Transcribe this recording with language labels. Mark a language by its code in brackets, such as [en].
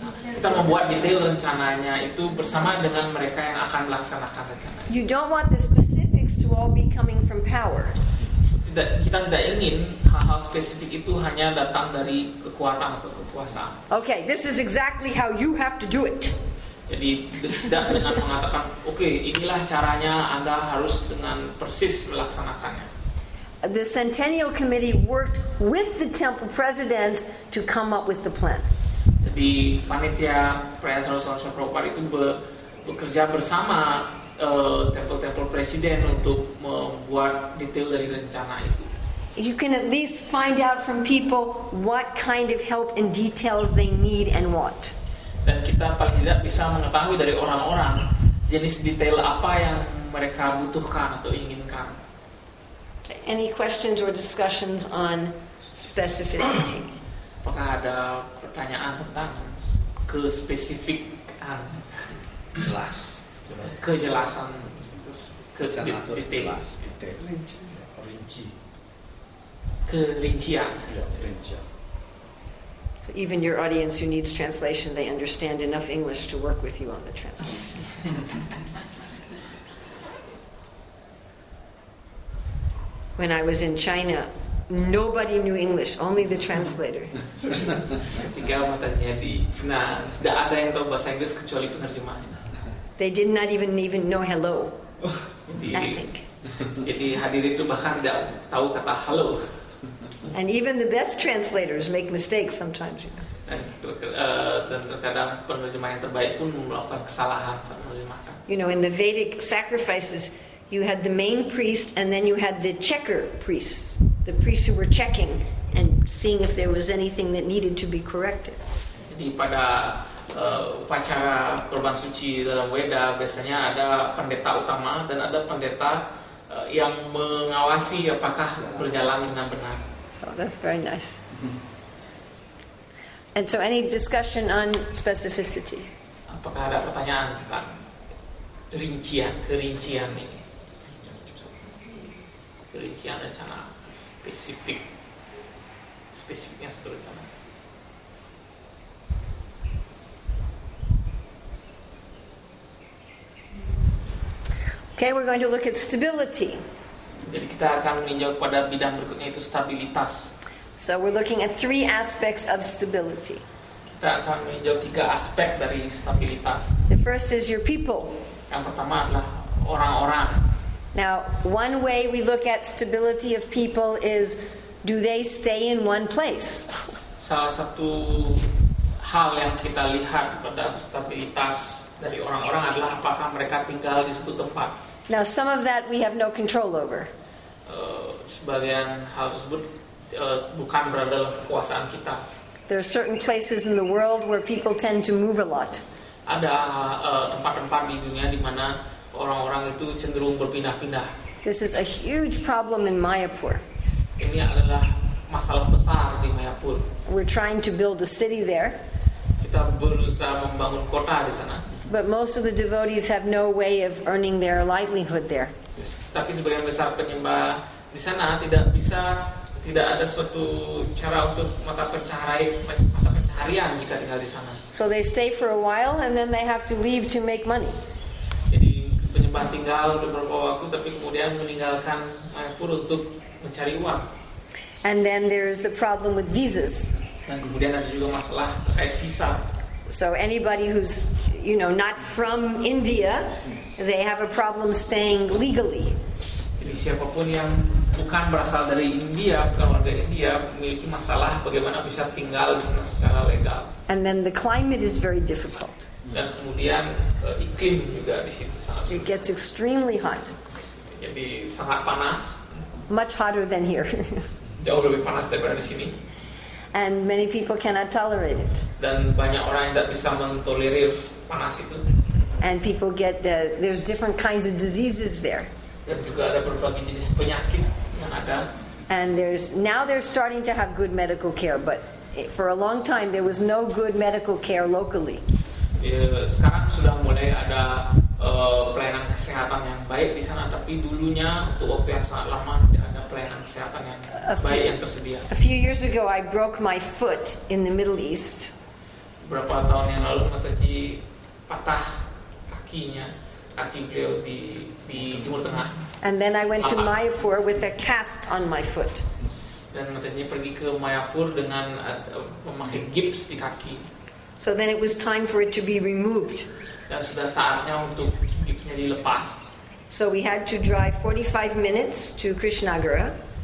[id] Kita membuat detail rencananya itu bersama dengan mereka yang akan melaksanakan rencana. [en] You don't want the specifics to all be coming from power. [id] Kita tidak ingin hal-hal spesifik itu hanya datang dari kekuatan atau kekuasaan. [en] Okay, this is exactly how you have to do it. [id] Jadi tidak dengan mengatakan, okay, inilah caranya Anda harus dengan persis melaksanakannya. [en] The Centennial Committee worked with the temple presidents to come up with the plan. [id] Jadi panitia perayaan Selasa Prabhupada itu bekerja bersama temple presiden untuk membuat detail dari rencana itu. [en] You can at least find out from people what kind of help and details they need and want. [id] Dan kita paling tidak bisa mengetahui dari orang-orang jenis detail apa yang mereka butuhkan atau inginkan. [en] Okay. Any questions or discussions on specificity? [id] Apakah ada pertanyaan tentang kespesifikan? Jelas. Kejelasan jelas, kerincian. [en] So even your audience who needs translation, they understand enough English to work with you on the translation. When I was in China, nobody knew English, only the translator. [id] Ketika mata saya di China, tidak ada yang tahu bahasa Inggris kecuali penerjemahnya. [en] They did not even know hello. Nothing. [id] Jadi hadir itu bahkan tidak tahu kata hello. [en] And even the best translators make mistakes sometimes, you know. [id] Dan terkadang penerjemah yang terbaik pun melakukan kesalahan saat menerjemahkan. [en] You know, in the Vedic sacrifices, you had the main priest and then you had the checker priests, the priests who were checking and seeing if there was anything that needed to be corrected. [id] Jadi pada upacara kurban suci dalam Weda biasanya ada pendeta utama dan ada pendeta yang mengawasi apakah berjalan dengan benar. [en] So that's very nice. And so any discussion on specificity? [id] Apakah ada pertanyaan tentang kerincian ini? Kerincian rencana spesifiknya satu rencana. [en] Okay, we're going to look at stability. [id] Jadi kita akan meninjau pada bidang berikutnya itu stabilitas. [en] So we're looking at three aspects of stability. [id] Kita akan meninjau tiga aspek dari stabilitas. [en] The first is your people. [id] Yang pertama adalah orang-orang. [en] Now, one way we look at stability of people is, do they stay in one place? [id] Salah satu hal yang kita lihat pada stabilitas dari orang-orang adalah apakah mereka tinggal di suatu tempat. [en] Now some of that we have no control over. [id] Sebagian hal tersebut bukan berada dalam kekuasaan kita. [en] There are certain places in the world where people tend to move a lot. [id] Ada tempat-tempat di dunia di mana orang-orang itu cenderung berpindah-pindah. [en] This is a huge problem in Mayapur. [id] ini adalah masalah besar di Mayapur. [en] We're trying to build a city there. [id] Kita berusaha membangun kota di sana. [en] But most of the devotees have no way of earning their livelihood there. [id] Tapi sebagian besar penyembah di sana tidak ada suatu cara untuk mata pencaharian jika tinggal di sana. [en] So they stay for a while and then they have to leave to make money. [id] Jadi penyembah tinggal untuk beberapa waktu tapi kemudian meninggalkan Mayapur untuk mencari uang. [en] And then there's the problem with visas. [id] Dan kemudian ada juga masalah terkait visa. [en] So anybody who's, you know, not from India, they have a problem staying legally. [id] Jadi siapapun yang bukan berasal dari India, bukan warga India, memiliki masalah bagaimana bisa tinggal di sana secara legal. [en] And then the climate is very difficult. [id] Dan kemudian iklim juga di situ sangat sulit. [en] It gets extremely hot. [id] Jadi sangat panas. [en] Much hotter than here. [id] Jauh lebih panas daripada di sini. [en] And many people cannot tolerate it. [id] Dan banyak orang yang tidak bisa mentolerir panas itu. [en] And people get there's different kinds of diseases there. [id] Dan juga ada berbagai jenis penyakit yang ada. [en] And now they're starting to have good medical care, but for a long time there was no good medical care locally. [id] Sekarang sudah mulai ada pelayanan kesehatan yang baik di sana, tapi dulunya untuk waktu yang sangat lama tidak ada pelayanan kesehatan yang baik yang tersedia. [en] A few years ago, I broke my foot in the Middle East. [id] Berapa tahun yang lalu, Mataji patah kakinya, kaki beliau di Timur Tengah. [en] And then I went to Mayapur with a cast on my foot. [id] Dan Mataji pergi ke Mayapur dengan memakai gips di kaki. [en] So then it was time for it to be removed. [id] Dan sudah saatnya untuk gipsnya dilepas. [en] So we had to drive 45 minutes to Krishnagara.